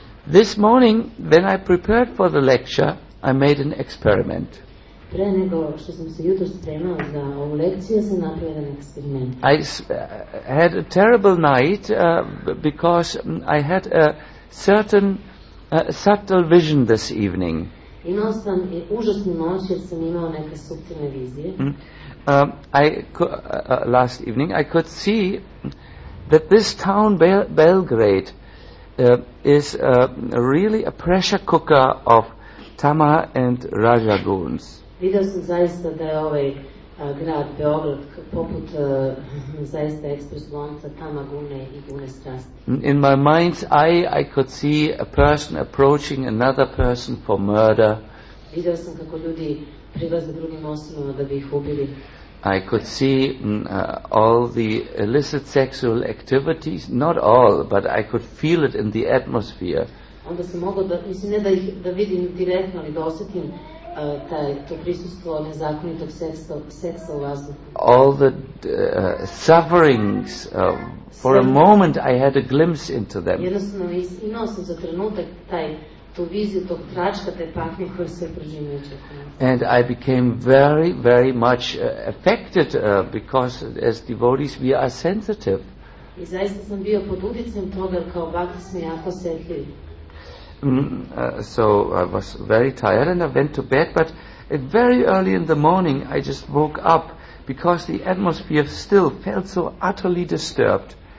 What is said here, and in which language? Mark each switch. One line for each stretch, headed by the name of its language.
English: This morning, when I prepared for the lecture, I made an experiment.
Serbian: Pre nego što sam se jutro spremao za ovu lekciju, sam napravio jedan eksperiment.
English: I had a terrible night because I had a certain subtle vision this evening.
Serbian: Imao sam užasnu noć jer sam imao neke subtilne vizije.
English: Last evening I could see that this town Belgrade is really a pressure cooker of tama and raja guns.
Serbian: Video sam zaista da je ovaj grad Beograd poput zaista ekspres lonca tama gune i gune strasti.
English: In my mind's eye I could see a person approaching another person for murder.
Serbian: Video sam kako ljudi prilaze drugim osobama da bi ih ubili.
English: I could see all the illicit sexual activities, not all, but I could feel it in the atmosphere.
Serbian: Onda sam mogao da, mislim, ne da ih da vidim direktno, ali da osjetim to prisustvo nezakonitog seksa u vazduhu.
English: All the sufferings, for a moment I had a glimpse into them.
Serbian: Jednostavno imao sam za trenutak taj tu viziju tog tračka, te patnje koje se prožinuje čekom.
English: And I became very, very much affected because as devotees we are sensitive.
Serbian: I zaista sam bio pod uticajem toga, kao bhakti smo jako osjetljivi.
English: So I was very tired and I went to bed, but very early in the morning I just woke up because the atmosphere still felt so utterly disturbed.